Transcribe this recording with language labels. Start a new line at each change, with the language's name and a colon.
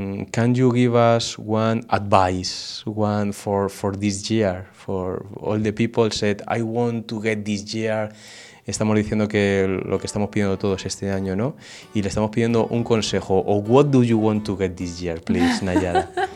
English: Can you give us one advice, one for this year, for all the people said, I want to get this year?
Spanish: Estamos diciendo que lo que estamos pidiendo todos este año, ¿no? Y le estamos pidiendo un consejo.
English: O what do you want to get this year, please, Nayada?